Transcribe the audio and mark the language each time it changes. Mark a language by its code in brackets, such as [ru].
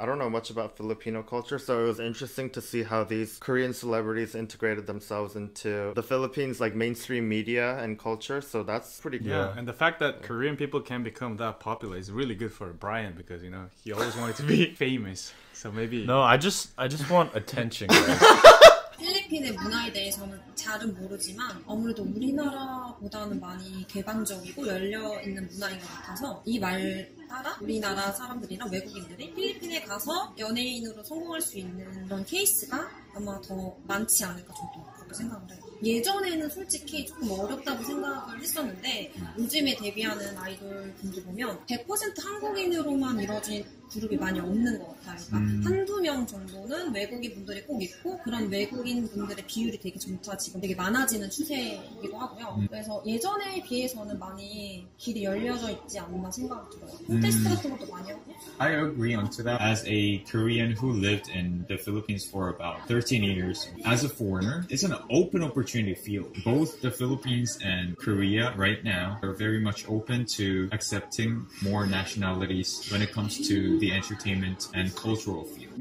[en] I don't know much about Filipino culture, so it was interesting to see how these Korean celebrities integrated themselves into the Philippines, like mainstream media and culture. So that's pretty cool. Yeah, and the fact that Korean people can become that popular is really good for Brian, because, you know, he always wanted to be famous. So maybe. No, I just want attention, guys. [ko] 필리핀의 문화에 대해서는 잘은 모르지만 아무래도 우리나라보다는 많이 개방적이고 열려 있는 문화인 것 같아서 이 말 따라 우리나라 사람들이랑 외국인들이 필리핀에 가서 연예인으로 성공할 수 있는 그런 케이스가 아마 더 많지 않을까 저도 그렇게 생각을 해요. 예전에는 솔직히 조금 어렵다고 생각을 했었는데 요즘에 데뷔하는 아이돌 분들 보면 100% 한국인으로만 이루어진 그룹이 많이 없는 것 같아요. 그러니까 한두 명 정도는 외국인 분들이 꼭 있고 그런 외국인 분들의 비율이 되게 점차 지금 되게 많아지는 추세이기도 하고요. 그래서 예전에 비해서는 많이 길이 열려져 있지 않나 생각이 들어요. 콘테스트 같은 것도 많이 하고. [en] I agree on to that. As a Korean who lived in the Philippines for about 13 years, as a foreigner, it's an open opportunity field. Both the Philippines and Korea right now are very much open to accepting more nationalities when it comes to the entertainment and cultural field.